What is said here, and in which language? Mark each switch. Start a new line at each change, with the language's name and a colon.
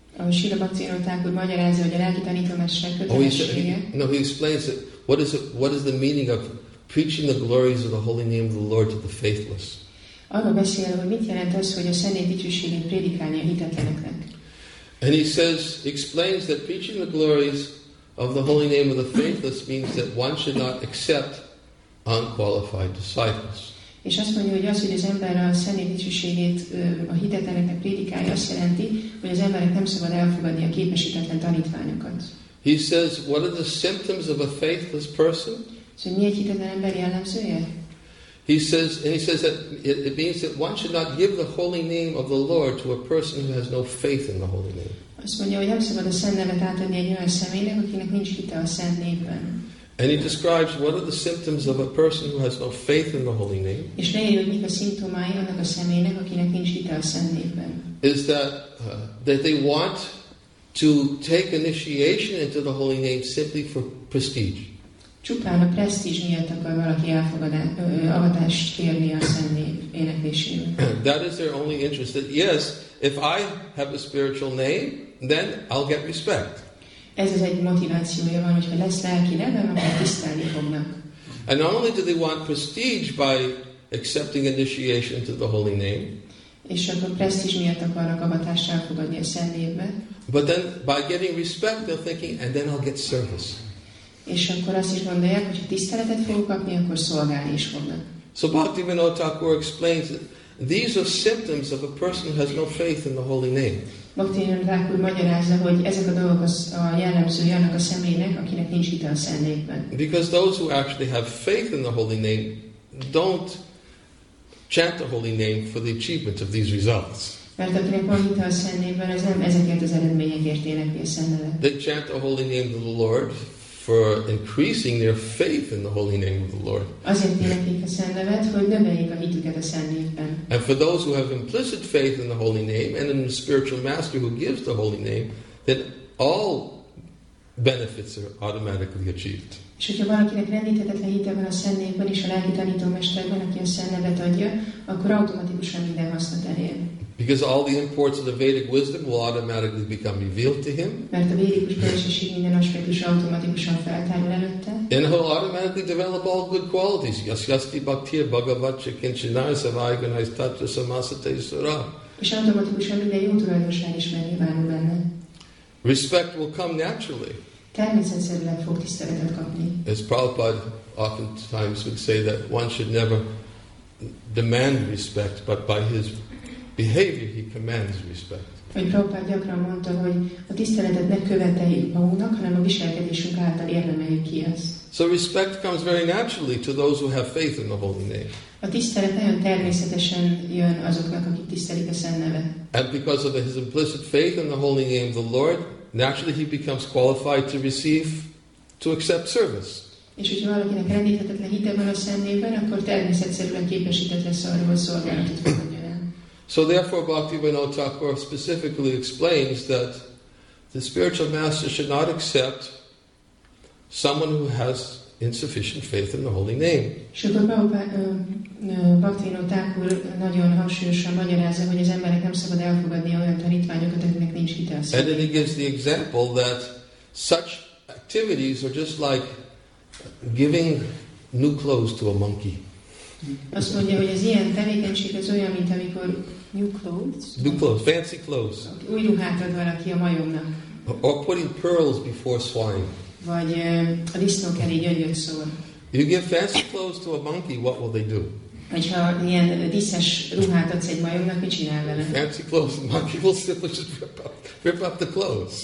Hungarian: Srila Bhaktivinoda Thakur magyarázza, hogy a lelki tanítómester kötelessége.
English: No, he explains that what is the meaning of preaching the glories of the holy name of the Lord to the faithless.
Hungarian: Arról beszél, hogy mit jelent az, hogy a szentély dicsőségét prédikálni a hitetleneknek.
English: And he says, explains that preaching the glories of the holy name of the faithless means that one should not accept unqualified disciples.
Hungarian: És azt mondja, hogy az, hogy az ember a szentély dicsőségét a hitetleneknek prédikálja, azt jelenti, hogy az embernek nem szabad elfogadni a képesítetlen tanítványokat.
English: He says, what are the symptoms of a faithless person?
Hungarian: So, mi egy hitetlen ember jellemzője?
English: He says that it means that one should not give the holy name of the Lord to a person who has no faith in the holy name.
Hungarian: Azt mondja, hogy nem szabad a szent nevet átadni egy olyan személynek, akinek nincs hite a szent névben.
English: And he describes what are the symptoms of a person who has no faith in the holy name.
Hungarian: És leírja, hogy mik a szimptomái annak a személynek, akinek nincs hite a szent névben.
English: Is that they want to take initiation into the holy name simply for prestige.
Hungarian: Csupán a presztízs miatt akar valaki avatást kérni a szentnév éneklésével.
English: That is their only interest. That yes, if I have a spiritual name, then I'll get respect.
Hungarian: Ez az egy motivációja van, hogyha lesz lelki nevem, akkor tisztelni fognak.
English: And not only do they want prestige by accepting initiation to the holy name.
Hungarian: És akkor presztízs miatt akarnak avatást elfogadni a szentnévbe.
English: But then by getting respect, they're thinking, and then I'll get service.
Hungarian: És akkor azt is gondolják, hogy ha tiszteletet fogok kapni, akkor szolgálni is fognak.
English: So Bhaktivinoda Thakur explains that these are symptoms of a person who has no faith in the holy name.
Hungarian: Bhaktivinoda Thakur magyarázza, hogy ezek a dolgok az a jellemzői annak a személynek, akinek nincs hite a szent névben.
English: Because those who actually have faith in the holy name don't chant the holy name for the achievement of these results.
Hungarian: Mert akinek van hite a szent névben, az nem ezeket az eredményekért éneki a szent nevet.
English: They chant the holy name of the Lord for increasing their faith in the holy name of the Lord. And for those who have implicit faith in the holy name and in the spiritual master who gives the holy name, then all benefits are automatically achieved.
Hungarian: És hogyha valakinek rendíthetetlen hite van a szent névben és a lelki tanítómesterben, aki a szent nevet adja, akkor automatikusan minden hasznot elér.
English: Because all the imports of the Vedic wisdom will automatically become revealed to him.
Hungarian: Mert a védikus bölcsesség minden aspektus automatikusan feltárul előtte.
English: And he'll automatically develop all good qualities.
Sanskrit: Yasyasti bhakti bhagavat chakinchinar savai gunais tatra samasate sura.
Hungarian: És automatikusan minden jó tulajdonság is megnyilvánul benne.
English: Respect will come naturally.
Hungarian: Természetszerűen fog tiszteletet kapni.
English: As Prabhupada oftentimes would say that one should never demand respect, but by his behavior he commands respect.
Hungarian: Vagy Prabhupada gyakran mondta, hogy a tiszteletet ne követeljük magunknak, hanem a viselkedésünk által érdemeljük ki azt.
English: So respect comes very naturally to those who have faith in the holy name.
Hungarian: A tisztelet nagyon természetesen jön azoknak, akik tisztelik a szent nevet.
English: And because of his implicit faith in the holy name of the Lord, naturally he becomes qualified to receive, to accept service.
Hungarian: És hogyha valakinek rendíthetetlen hite van a szent névben, akkor természetszerűen képesített lesz arra, hogy szolgálatot fogadjon el.
English: So therefore Bhaktivinoda Thakur specifically explains that the spiritual master should not accept someone who has insufficient faith in the holy name. And then he gives the example that such activities are just like giving new clothes to a monkey.
Hungarian: Azt mondja, hogy az ilyen tevékenység az olyan, mint amikor
English: new clothes, fancy clothes.
Hungarian: Új ruhát ad valaki a majomnak.
English: Or putting pearls before swine.
Hungarian: Vagy a disznók elé gyöngyöt szól.
English: You give fancy clothes to a monkey, what will they do?
Hungarian: Hogyha ilyen díszes ruhát adsz egy majomnak, mit csinál vele?
English: Fancy clothes, the monkey will simply just rip up the clothes.